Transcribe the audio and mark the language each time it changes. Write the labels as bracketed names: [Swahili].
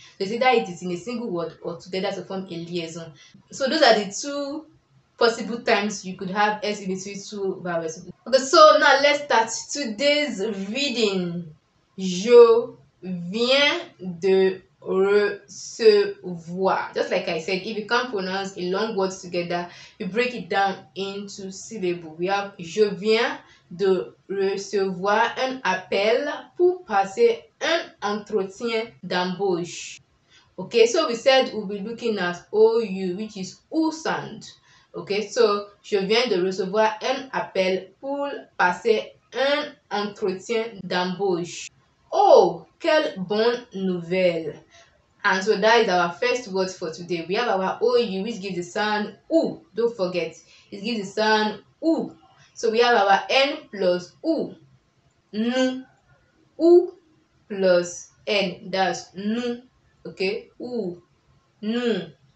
[English] So it's either it is in a single word or together to form a liaison. So those are the two possible times you could have s in between two vowels. Okay, so now let's start today's reading. [French] Je viens de recevoir. [English] Just like I said, if you can't pronounce a long word together, you break it down into syllables. We have [French] je viens de recevoir un appel pour passer un entretien d'embauche. [English] Okay, so we said we'll be looking at OU, which is OU sound. Okay, so [French] je viens de recevoir un appel pour passer un entretien d'embauche. Oh, quelle bonne nouvelle! [English] And so that is our first word for today. We have our OU, which gives the sound OU. Don't forget, it gives the sound OU. So we have our N plus OU. NU. OU plus N, that's nu, okay? U, nu.